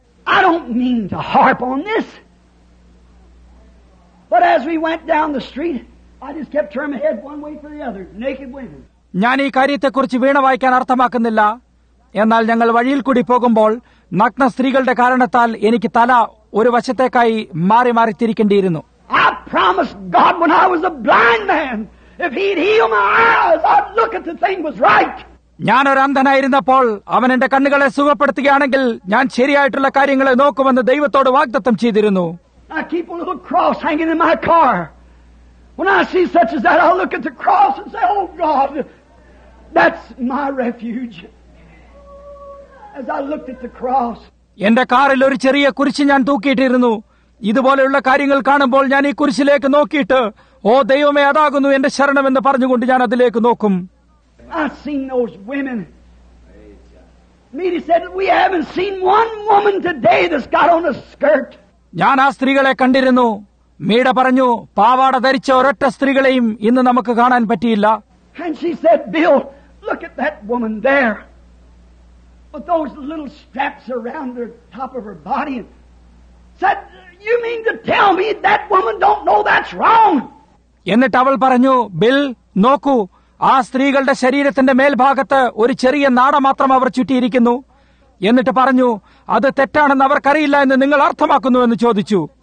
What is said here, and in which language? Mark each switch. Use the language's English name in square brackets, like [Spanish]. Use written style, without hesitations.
[English] I don't mean to harp on this. But as we went down the street, I just kept turning my head one way for the other. Naked women. [Malayalam] ഞാൻ ഈ കാര്യത്തെക്കുറിച്ച് വീണ വായിക്കാൻ അർത്ഥമാക്കുന്നില്ല. എന്നാൽ ഞങ്ങൾ വഴിയിൽ കൂടി പോകുമ്പോൾ നഗ്ന സ്ത്രീകളുടെ കാരണത്താൽ എനിക്ക് തല ഒരു വശത്തേക്കായി മാറി മാറി തിരിക്കേണ്ടിയിരുന്നു. [English] I promised God when I was a blind man, if he'd heal my eyes, I'd look at the thing was right. [Malayalam] ഞാനൊരു അന്ധനായിരുന്നപ്പോൾ അവൻ എന്റെ കണ്ണുകളെ സുഖപ്പെടുത്തുകയാണെങ്കിൽ ഞാൻ ശരിയായിട്ടുള്ള കാര്യങ്ങളെ നോക്കുമെന്ന് ദൈവത്തോട് വാഗ്ദത്തം ചെയ്തിരുന്നു. [English] I keep a little cross hanging in my car. When I see such as that, I look at the cross and say, Oh God, that's my refuge. As I looked at the cross. [Malayalam] എന്റെ കാറിൽ ഒരു ചെറിയ കുരിശ് ഞാൻ തൂക്കിയിട്ടിരുന്നു. ഇതുപോലെയുള്ള കാര്യങ്ങൾ കാണുമ്പോൾ ഞാൻ ഈ കുരിശിലേക്ക് നോക്കിയിട്ട് ഓ ദൈവമേ അതാകുന്നു എന്റെ ശരണമെന്ന് പറഞ്ഞുകൊണ്ട് ഞാൻ അതിലേക്ക് നോക്കും. [English] I've seen those women. Meadie said, we haven't seen one woman today that's got on a skirt. [Malayalam] ഞാൻ ആ സ്ത്രീകളെ കണ്ടിരുന്നു. മീട പറഞ്ഞു, പാവാട ധരിച്ച ഒരൊറ്റ സ്ത്രീകളെയും ഇന്ന് നമുക്ക് കാണാൻ പറ്റിയില്ല. [English] And she said, Bill, look at that woman there. With those little straps around the top of her body. And said, you mean to tell me that woman don't know that's wrong? [Malayalam] എന്നിട്ട് അവൾ പറഞ്ഞു, Bill, നോക്കൂ. ആ സ്ത്രീകളുടെ ശരീരത്തിന്റെ മേൽഭാഗത്ത് ഒരു ചെറിയ നാട മാത്രം അവർ ചുറ്റിയിരിക്കുന്നു. എന്നിട്ട് പറഞ്ഞു, അത് തെറ്റാണെന്ന് അവർക്കറിയില്ല എന്ന് നിങ്ങൾ അർത്ഥമാക്കുന്നു എന്ന് ചോദിച്ചു.